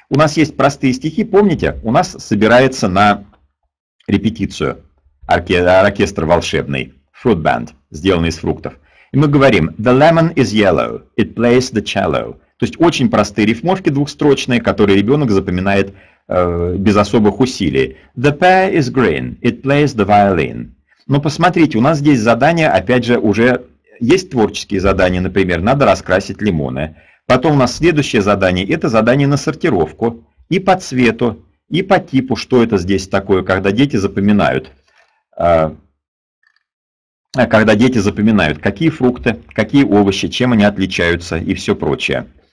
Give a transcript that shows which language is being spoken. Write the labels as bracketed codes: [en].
[ru] У нас есть простые стихи, помните, у нас собирается на репетицию оркестр волшебный, fruit band, сделанный из фруктов. И мы говорим, [en] the lemon is yellow, it plays the cello. [ru] То есть очень простые рифмовки двухстрочные, которые ребенок запоминает без особых усилий. [en] The pear is green, it plays the violin. [ru] Но посмотрите, у нас здесь задания, опять же, уже есть творческие задания, например, надо раскрасить лимоны. Потом у нас следующее задание, это задание на сортировку, и по цвету, и по типу, что это здесь такое, когда дети запоминают, какие фрукты, какие овощи, чем они отличаются и все прочее.